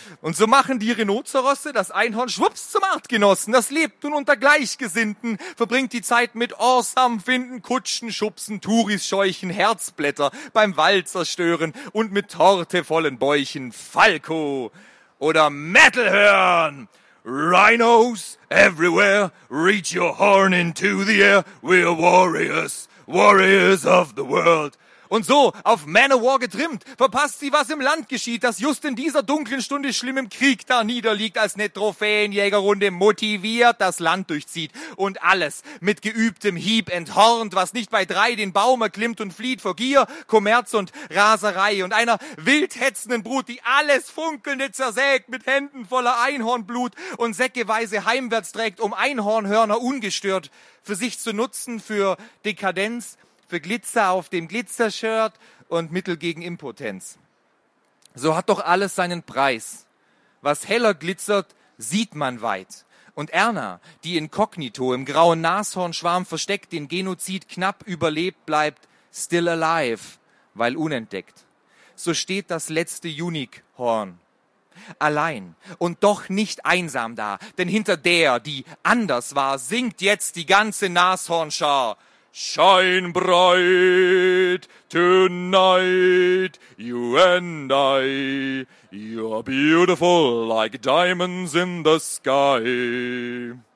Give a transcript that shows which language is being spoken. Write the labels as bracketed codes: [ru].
[de] Und so machen die Rhinozerosse das Einhorn schwupps zum Artgenossen. Das lebt nun unter Gleichgesinnten, verbringt die Zeit mit Orsam finden, Kutschen schubsen, Touris scheuchen, Herzblätter beim Wald zerstören und mit Torte vollen Bäuchen Falco oder Metal hören. [en] Rhinos everywhere, reach your horn into the air, we're warriors, warriors of the world. [de] Und so, auf Manowar getrimmt, verpasst sie, was im Land geschieht, das just in dieser dunklen Stunde schlimmem Krieg da niederliegt, als ne Trophäenjägerrunde motiviert das Land durchzieht und alles mit geübtem Hieb enthornt, was nicht bei drei den Baum erklimmt und flieht vor Gier, Kommerz und Raserei und einer wildhetzenden Brut, die alles Funkelnde zersägt mit Händen voller Einhornblut und säckeweise heimwärts trägt, um Einhornhörner ungestört für sich zu nutzen, für Dekadenz, für Glitzer auf dem Glitzershirt und Mittel gegen Impotenz. So hat doch alles seinen Preis. Was heller glitzert, sieht man weit. Und Erna, die inkognito im grauen Nashornschwarm versteckt, den Genozid knapp überlebt, bleibt [en] still alive, [de] weil unentdeckt. So steht das letzte Unikhorn. Allein und doch nicht einsam da, denn hinter der, die anders war, singt jetzt die ganze Nashornschar. [en] Shine bright tonight, you and I, you're beautiful like diamonds in the sky.